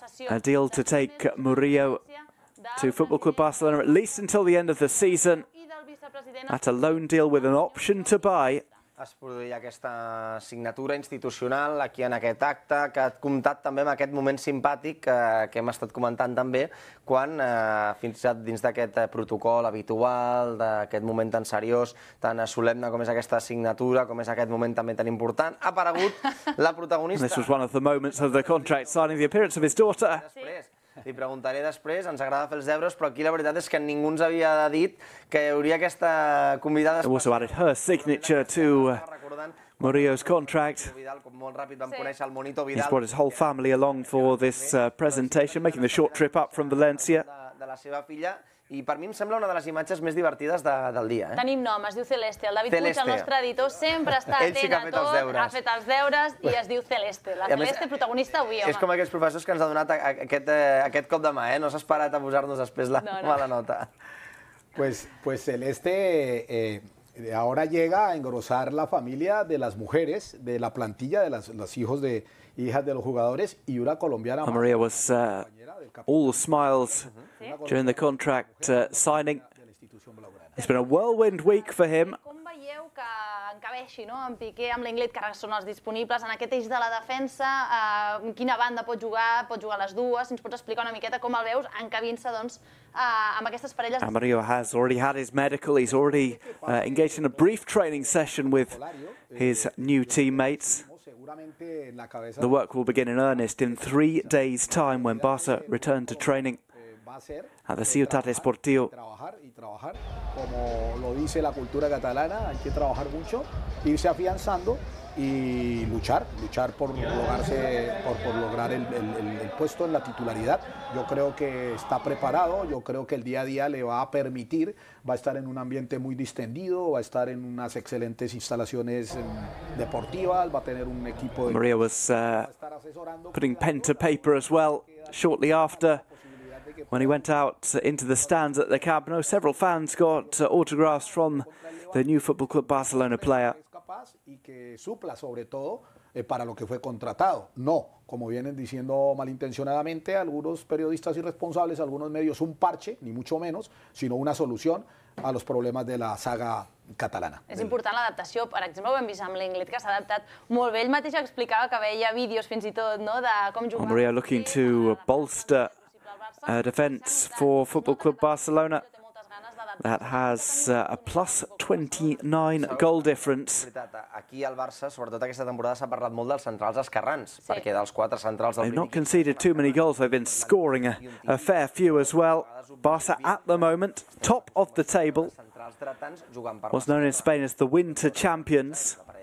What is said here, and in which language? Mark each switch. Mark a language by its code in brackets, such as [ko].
[en] A deal to take Murillo to Football Club Barcelona at least until the end of the season at a loan deal with an option to buy. [ca] Es produïa aquesta signatura institucional aquí en aquest acte, que ha comptat també amb aquest moment simpàtic que hem estat comentant també, quan fins i tot dins d'aquest protocol habitual, d'aquest moment tan seriós, tan solemne com és aquesta signatura, com és aquest moment també tan important, ha aparegut la protagonista. [en] This was one of the moments of the contract signing, the appearance of his daughter. [ca] Li preguntaré després, ens agrada fer els deures, però aquí la veritat és que ningú ens havia dit que hi hauria aquesta convidada. [en] It also added her signature to Murillo's contract. [ca] Molt ràpid vam conèixer el Monito Vidal. [en] He's brought his whole family along for this presentation, making the short trip up from València. [ca] De la seva filla, i per mi em sembla una de les imatges més divertides del dia. Tenim nom, es diu Celeste. El David Puig, el nostre editor, sempre està atent a tot. Ha fet els deures. Ha fet els deures i es diu Celeste. La Celeste protagonista avui, home. És com aquests professors que ens ha donat aquest cop de mà, no s'ha esperat a posar-nos després la mala nota. [es] Pues Celeste ahora llega a engrosar la familia de las mujeres, de la plantilla, de los hijos de hijas de los jugadores, y una colombiana... [en] Maria was all smiles during the contract signing. It's been a whirlwind week for him. [ca] Com veieu que encabeixi, no?, en Piqué, amb l'Inglet, que ara són els disponibles, en aquest eix de la defensa, quina banda pot jugar les dues, si ens pots explicar una miqueta com el veus encabint-se, doncs, amb aquestes parelles... [en] Mario has already had his medical, he's already engaged in a brief training session with his new teammates. The work will begin in earnest in 3 days' time when Barça return to training at the Ciutat Esportiu. [es] Como lo dice la cultura catalana, hay que trabajar mucho, irse afianzando y luchar por lograr el puesto en la titularidad. Yo creo que está preparado, yo creo que el día a día le va a permitir, va a estar en un ambiente muy distendido, va a estar en unas excelentes instalaciones deportivas, va a tener un equipo de... [en] Maria was putting pen to paper as well shortly after when he went out into the stands at the Camp Nou. Several fans got autographs from the new Football Club Barcelona player. [es] Y que supla sobre todo para lo que fue contratado. No, como vienen diciendo malintencionadamente algunos periodistas irresponsables, algunos medios, un parche, ni mucho menos, sino una solución a los problemas de la saga catalana. [ca] És important l'adaptació. Per exemple, ho hem vist amb l'Inglet, que s'ha adaptat molt bé. Ell mateix explicava que veia vídeos fins i tot, no?, de com jugar... [en] Maria looking to bolster defence for Football Club Barcelona. That has a plus 29 goal difference. [ca] Aquí al Barça, sobretot aquesta temporada, s'ha parlat molt dels centrals esquerrans, perquè dels quatre centrals... [en] They've not conceded too many goals. They've been scoring a fair few as well. Barça, at the moment, top of the table. What's known in Spain as the winter champions.